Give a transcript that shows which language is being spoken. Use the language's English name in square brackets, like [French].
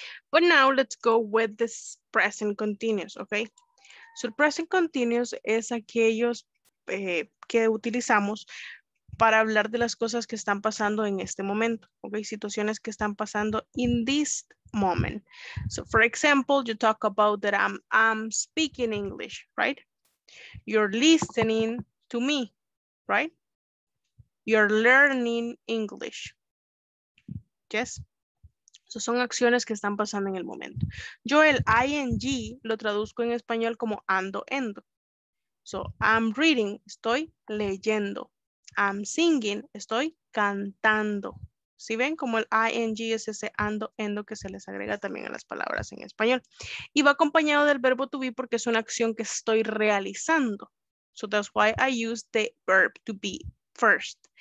[English] But now, let's go with this present continuous, okay? [Spanish] So, present continuous es aquellos que utilizamos para hablar de las cosas que están pasando en este momento, okay? Situaciones que están pasando [English] in this moment. So, for example, you talk about that I'm speaking English, right? You're listening to me, right? You're learning English. Yes? [Spanish] So, son acciones que están pasando en el momento. Yo el ing lo traduzco en español como ando, endo. So, [English] I'm reading, [Spanish] estoy leyendo. [English] I'm singing, [Spanish] estoy cantando. ¿Sí ven? Como el ing es ese ando, endo que se les agrega también a las palabras en español. Y va acompañado del verbo to be porque es una acción que estoy realizando. [English] So that's why I use the verb to be first.